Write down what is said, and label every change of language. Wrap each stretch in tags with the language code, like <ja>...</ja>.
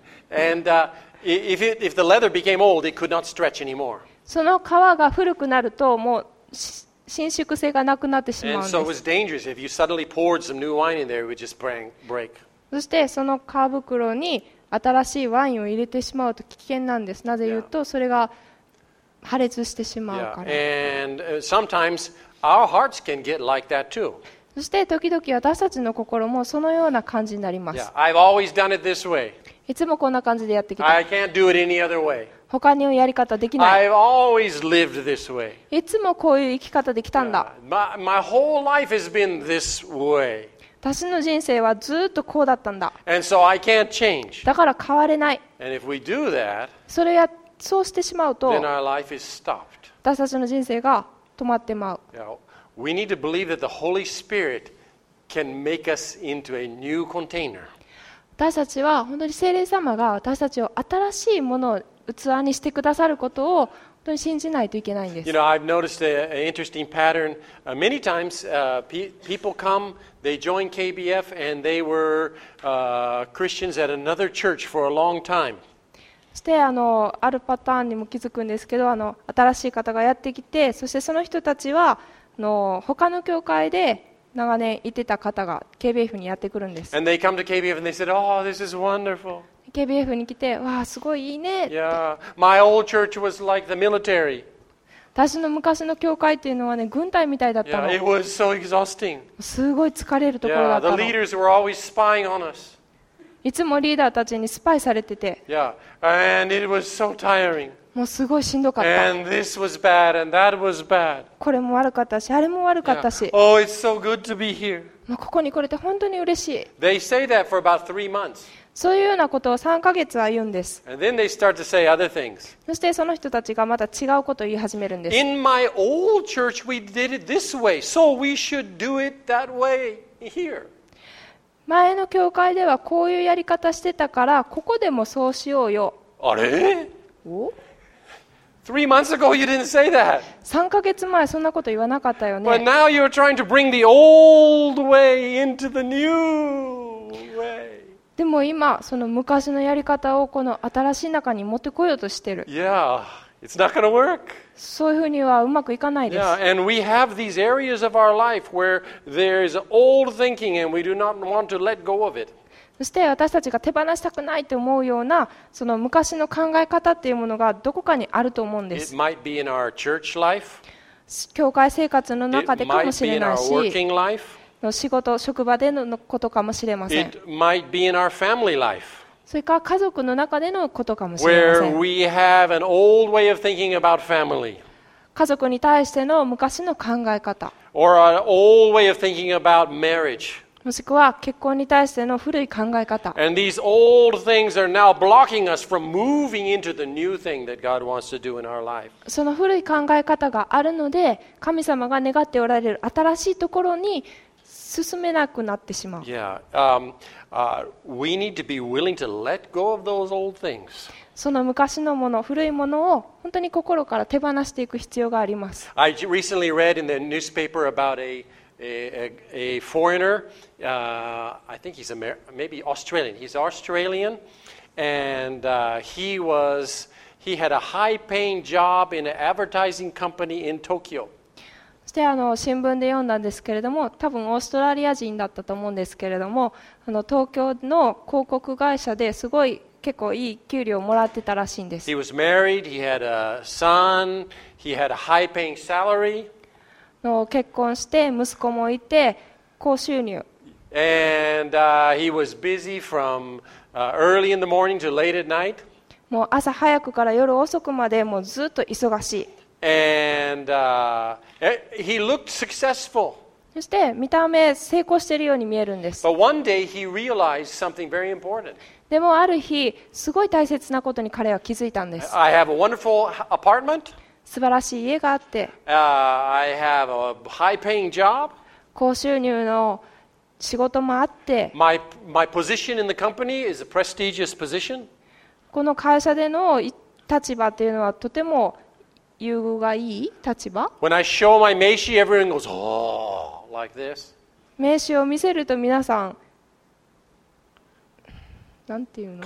<en>And if the leather became old, it could not stretch anymore.</en> <ja>その革が古くなるともう伸縮性がなくなってしまうんです。</ja> <en>And so it was dangerous. If you suddenly poured some new wine in there, it would just break.</en> <ja>そしてその皮袋に新しいワインを入れてしまうと危険なんです。なぜ言うとそれが破裂してしまうから。</ja> <en>Yeah. And sometimes our hearts can get like that too.</en> <ja>そして時々私たちの心もそのような感じになります。</ja> <en>Yeah. I've always done it this way.</en> <ja>いつもこんな感じでやってきた。</ja> <en>I can't do it any other way.</en> <ja>他にやり方できない。</ja> <en>I've always lived this way.</en> <ja>いつもこういう生き方できたんだ。</ja> <en>my whole life has been this way.</en> <ja>私の人生はずっとこうだったんだ。</ja> <en>And so I can't change.</en> <ja>だから変われない。</ja> <en>And if we do that,</en> <ja>それやそうしてしまうと</ja> <en>then our life is stopped.</en> <ja>私たちの人生が止まってまう。</ja> <en>Now, we need to believe that the Holy Spirit can make us into a new container.</en> <ja>私たちは本当に聖霊様が私たちを新しいものを器にしてくださることを本当に信じないといけないんです。</ja> <en>You know, I've noticed an interesting pattern. Many times, people come, they join KBF, and they were Christians at another church for a long time.</en> <ja>そしてあるパターンにも気づくんですけど、新しい方がやってきて、そしてその人たちは他の教会で長年いてた方が KBF にやってくるんです。</ja> <en>And they come to KBF and they said, Oh, this is wonderful.</en> <ja>KBF に来て、わあ、すごいいいね。</ja> <en>Yeah, my old church was like the military.</en> <ja>私の昔の教会っていうのはね、軍隊みたいだったの。</ja> <en>Yeah, it was so exhausting.</en> <ja>すごい疲れるところだったの。</ja> <en>Yeah, the leaders were always spying on us.</en> <ja>いつもリーダーたちにスパイされてて。</ja> <en>Yeah, and it was so tiring.</en> <ja>もうすごいしんどかった。</ja> <en>And this was bad, and that was bad.</en> <ja>これも悪かったし、あれも悪かったし。</ja> <en>Yeah. Oh, it's so good to be here.</en> <ja>もうここに来れて本当に嬉しい。</ja> <en>They say that for about three months.</en> <ja>そういうようなことを3ヶ月は言うんです。</ja> <en>And then they start to say other things.</en> <ja>そしてその人たちがまた違うことを言い始めるんです。</ja> <en>In my old church we did it this way, so we should do it that way here.</en> <ja>前の教会ではこういうやり方してたからここでもそうしようよ。あれ？お？</ja> <en>3 months ago you didn't say that.</en> <ja>3ヶ月前そんなこと言わなかったよね。</ja> <en>But now you're trying to bring the old way into the new way.</en> <ja>でも今その昔のやり方をこの新しい中に持ってこようとしてる。</ja> <en>Yeah, it's not gonna work.</en> <ja>そういうふうにはうまくいかないです。</ja> <en>Yeah, and we have these areas of our life where there is old thinking and we do not want to let go of it.</en> <ja>そして私たちが手放したくないと思うようなその昔の考え方っていうものがどこかにあると思うんです。</ja> <en>It might be in our church life.</en> <ja>教会生活の中でかもしれないし。</ja> <en>It might be in our working life.</en> <ja>の仕事、職場でのことかもしれません。</ja> <en>It might be in our family life.</en> <ja>それから家族の中でのことかもしれません。</ja> <en>Where we have an old way of thinking about family.</en> <ja>家族に対しての昔の考え方。</ja> <en>Or an old way of thinking about marriage.</en> <ja>もしくは結婚に対しての古い考え方。</ja> <en>And these old things are now blocking us from moving into the new thing that God wants to do in our life.</en> <ja>その古い考え方があるので、神様が願っておられる新しいところに進めなくなってしまう。</ja> <en>Yeah, we need to be willing to let go of those old things.</en> <ja>その昔のもの、古いものを本当に心から手放していく必要があります。</ja> <en>I recently read in the newspaper about a foreigner. I think he's maybe Australian. He's Australian, and he had a high-paying job in an advertising company in Tokyo.</en> <ja>そして新聞で読んだんですけれども、多分オーストラリア人だったと思うんですけれども、東京の広告会社ですごい結構いい給料をもらってたらしいんです。</ja> <en>He was married, he had a son, he had a high-paying salary.</en> <ja>結婚して息子もいて高収入。</ja> <en>And he was busy from early in the morning to late at night.</en> <ja>もう朝早くから夜遅くまでもうずっと忙しい。</ja> <en>And he looked successful.</en> <ja>そして見た目成功しているように見えるんです。</ja> <en>But one day he realized something very important.</en> <ja>でもある日すごい大切なことに彼は気づいたんです。</ja> <en>I have a wonderful apartment.</en> <ja>素晴らしい家があって。</ja> <en>I have a high-paying job.</en> <ja>高収入の仕事もあって。</ja> <en>My position in the company is a prestigious position.</en> <ja>この会社での立場っていうのはとても優遇がいい立場。</ja> <en>When I show my 名刺, everyone goes, oh, like this.</en> <ja>名刺を見せると皆さん、なんていうの？</ja>